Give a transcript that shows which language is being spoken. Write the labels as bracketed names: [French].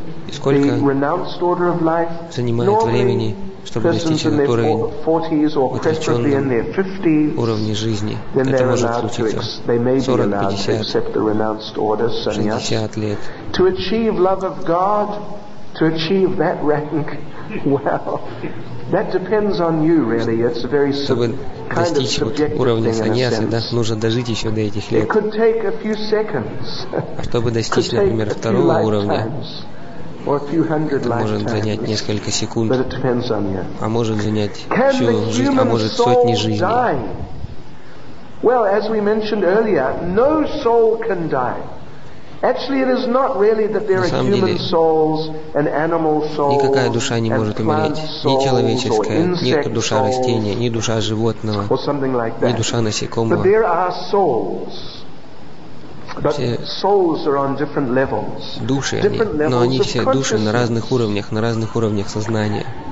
[Russian] Сколько занимает времени, чтобы достичь этот уровень, отреченный уровне жизни? Это может случиться 40-50 лет. [English] To achieve love of God, to achieve that rank, well, that depends on you, really. It's a very [Russian] чтобы достичь вот уровня саньясы, да, нужно дожить еще до этих лет. [English] It could take a few seconds. [Russian] А чтобы достичь, например, второго уровня, это может занять несколько секунд, а может занять всю жизнь, а может сотни жизней. [English] Well, as we mentioned earlier, no soul can die. Actually, it is not really that there are human souls and animal souls. [Russian] Никакая душа не может умереть, ни человеческая, ни душа растения, ни душа животного, ни душа насекомого. [English] But there are souls. [Russian] все души, они, но они все души на разных уровнях сознания.